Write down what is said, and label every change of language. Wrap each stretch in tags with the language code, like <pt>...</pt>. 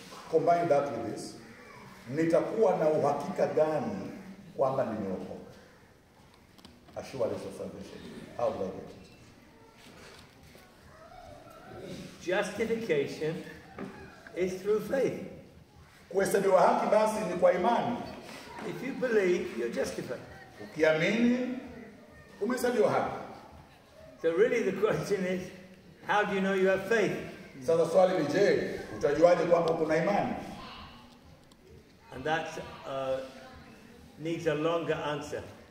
<en>Combine that with this.</en> <sw>Nitakuwa na uhakika gani kwamba nimeokoka?</sw> <en>Assurance of salvation. How do I get it? Justification is through faith.</en> <sw>Kuhesabiwa haki basi ni kwa imani.</sw> <en>If you believe, you're justified.</en> <sw>Ukiamini, umehesabiwa haki.</sw> <en>So really the question is, how do you know you have faith?</en> <sw>Sasa swali ni je, utajuaje kwamba kuna imani?</sw> <en>And that needs a longer answer.</en>